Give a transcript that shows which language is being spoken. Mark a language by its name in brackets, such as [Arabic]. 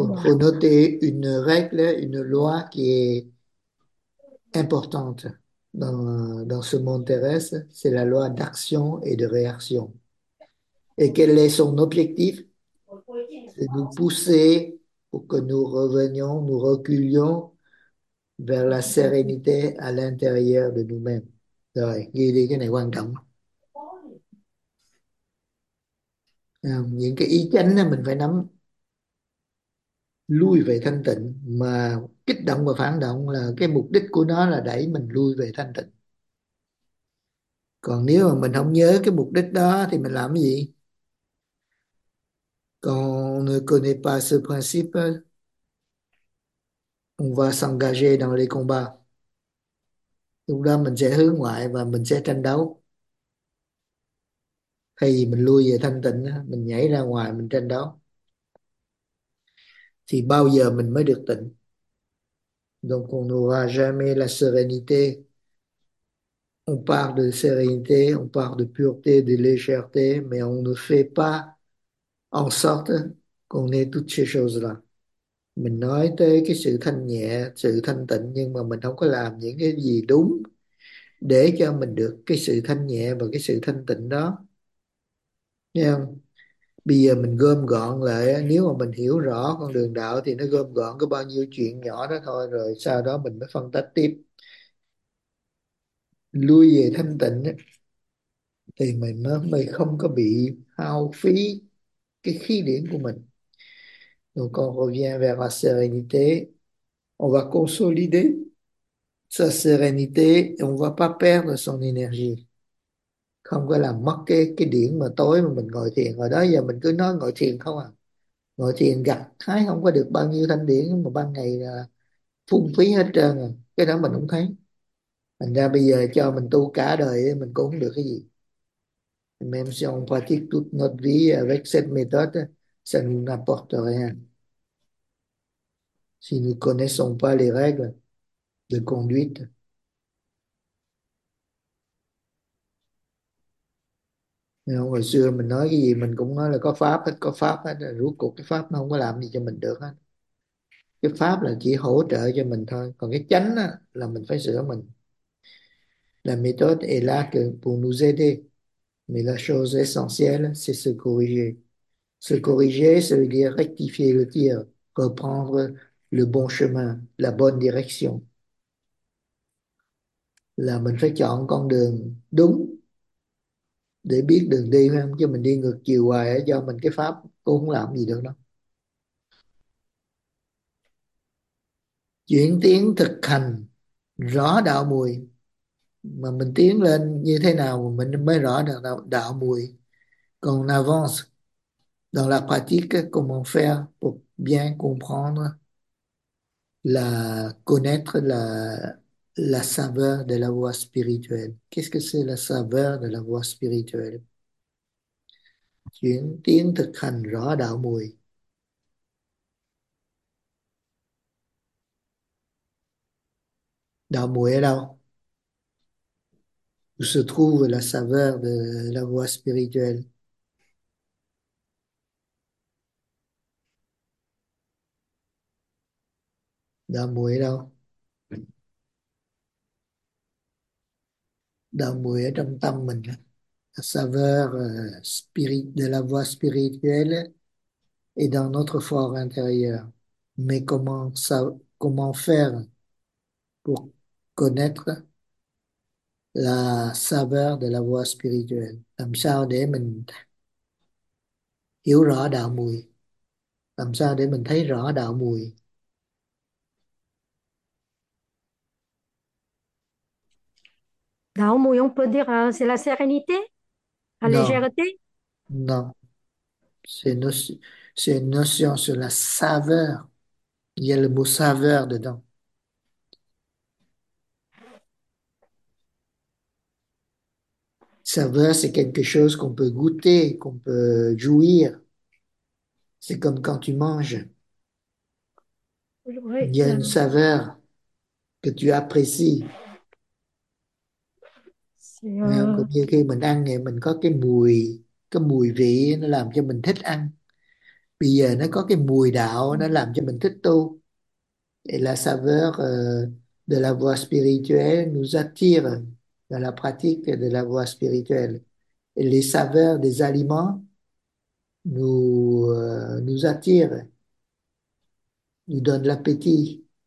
[French] faut noter une règle, une loi qui est importante dans ce monde terrestre, c'est la loi d'action et de réaction. Et quel est son objectif? C'est nous pousser pour que nous revenions, nous reculions vers la sérénité à l'intérieur de nous-mêmes. [Vietnamese] Rồi, ghi đi, cái này quan trọng. Những cái ý chánh là mình phải nắm, lui về thanh tịnh, mà kích động và phản động là cái mục đích của nó là đẩy mình lui về thanh tịnh. Còn nếu mà mình không nhớ cái mục đích đó thì mình làm cái gì? Còn [French] ne connaît pas ce principe, on va s'engager dans les combats. [Vietnamese] Lúc đó mình sẽ hướng ngoại và mình sẽ tranh đấu. Thay vì mình lui về thanh tịnh, mình nhảy ra ngoài mình tranh đấu. Thì bao giờ mình mới được tịnh? [French] Donc on n'aura jamais la sérénité. On parle de sérénité, on parle de pureté, de légèreté, mais on ne fait pas en sorte qu'on ait toutes ces choses-là. [Vietnamese] Mình nói tới cái sự thanh nhẹ, sự thanh tịnh, nhưng mà mình không có làm những cái gì đúng để cho mình được cái sự thanh nhẹ và cái sự thanh tịnh đó. Nghe không? Bây giờ mình gom gọn lại, nếu mà mình hiểu rõ con đường đạo thì nó gom gọn có bao nhiêu chuyện nhỏ đó thôi, rồi sau đó mình mới phân tách tiếp. Lui về thanh tịnh thì mình mới không có bị hao phí cái khí điển của mình. [French] Donc on revient vers la sérénité, on va consolider sa sérénité et on va pas perdre son énergie. [Vietnamese] Không có làm mất cái điểm mà tối mà mình ngồi thiền rồi đó. Giờ mình cứ nói ngồi thiền không à, ngồi thiền gặt hái không có được bao nhiêu thanh điển, mà ban ngày là phung phí hết trơn à. Cái đó mình không thấy. Thành ra bây giờ cho mình tu cả đời mình cũng không được cái gì. [French] Même si on pratique toute notre vie avec cette méthode, ça ne nous apporte rien. Si nous connaissons pas les règles de conduite. [Vietnamese] Hồi xưa mình nói cái gì mình cũng nói là có pháp hết, có pháp hết, rồi rốt cuộc cái pháp nó không có làm gì cho mình được hết. Cái pháp là chỉ hỗ trợ cho mình thôi, còn cái chánh á, là mình phải sửa mình. [French] La méthode est là que pour nous aider, mais la chose essentielle, c'est se corriger. Se corriger, ça veut dire rectifier le tir, reprendre le bon chemin, la bonne direction. [Vietnamese] Là mình phải chọn con đường đúng để biết đường đi, không chứ mình đi ngược chiều hoài do mình cái pháp cũng không làm gì được đâu. Chuyển tiến thực hành rõ đạo mùi, mà mình tiến lên như thế nào mình mới rõ được đạo mùi. Còn [French] avance dans la pratique comment faire pour bien comprendre la connaître la saveur de la voie spirituelle. Qu'est-ce que c'est la saveur de la voie spirituelle? [Vietnamese] Chuyển tiến thực hành rõ đạo mùi. Đạo mùi ở đâu? [French] Où se trouve la saveur de la voie spirituelle? [Vietnamese] Đạo mùi ở Đạo mùi ở trong tâm mình. [French] La saveur spirit de la voie spirituelle est dans notre for intérieur. Mais comment faire pour connaître la saveur de la voie spirituelle? [Vietnamese] Làm sao để mình hiểu rõ đạo mùi? Làm sao để mình thấy rõ đạo mùi? [French] Đạo mùi, on peut dire, c'est la sérénité, la Non, légèreté. non. C'est une notion sur la saveur. Il y a le mot saveur dedans. Saveur, c'est quelque chose qu'on peut goûter, qu'on peut jouir. C'est comme quand tu manges. Il y a une saveur que tu apprécies. [Vietnamese] Cũng như khi mình ăn thì mình có cái mùi vị nó làm cho mình thích ăn. Bây giờ nó có cái mùi đạo nó làm cho mình thích tu. [French] Et la saveur de la voie spirituelle nous attire dans la pratique de la voie spirituelle. Et les saveurs des aliments nous attirent, nous donnent l'appétit.